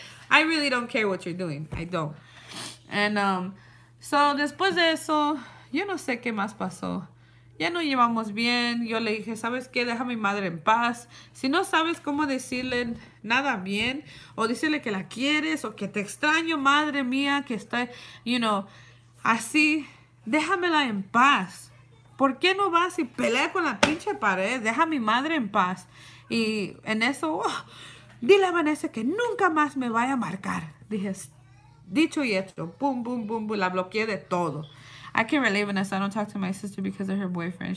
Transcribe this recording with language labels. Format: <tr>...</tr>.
<en>I really don't care what you're doing. I don't. So,</en> <es>después de eso, yo no sé qué más pasó. Ya no llevamos bien. Yo le dije, ¿sabes qué? Deja a mi madre en paz. Si no sabes cómo decirle nada bien, o decirle que la quieres, o que te extraño, madre mía, que está, así, déjamela en paz. ¿Por qué no vas y pelea con la pinche pared? Deja a mi madre en paz. Y en eso, dile a Vanessa que nunca más me vaya a marcar. Dije, dicho y hecho, boom, boom, boom, boom, la bloqueé de todo.</es> <en>I can't relate, Vanessa. I don't talk to my sister because of her boyfriend.</en>